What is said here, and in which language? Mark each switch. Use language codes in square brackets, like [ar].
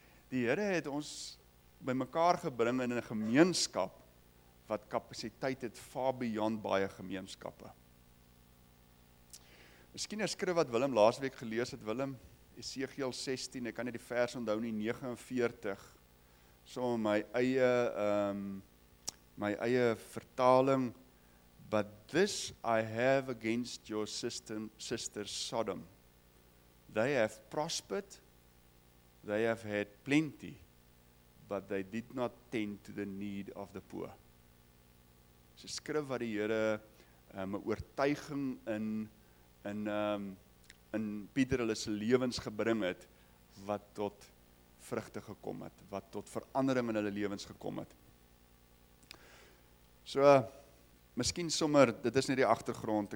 [af] Die Here het ons bymekaar gebring in 'n gemeenskap wat kapasiteit het [en] far beyond [af] baie gemeenskappe. Miskien 'n skrif wat Willem laasweek gelees het, Willem, Esegiel 16, ek kan nie die vers onthou nie, 49. So my eie vertaling, [en] but this I have against your sister Sodom. They have prospered, they have had plenty, but they did not tend to the need of the poor. [af] Dis 'n skrif wat die Here 'n oortuiging in Pieter hulle se lewens gebring het wat tot vrugte gekom het, wat tot verandering in hulle lewens gekom het. So miskien sommer, dit is net die agtergrond.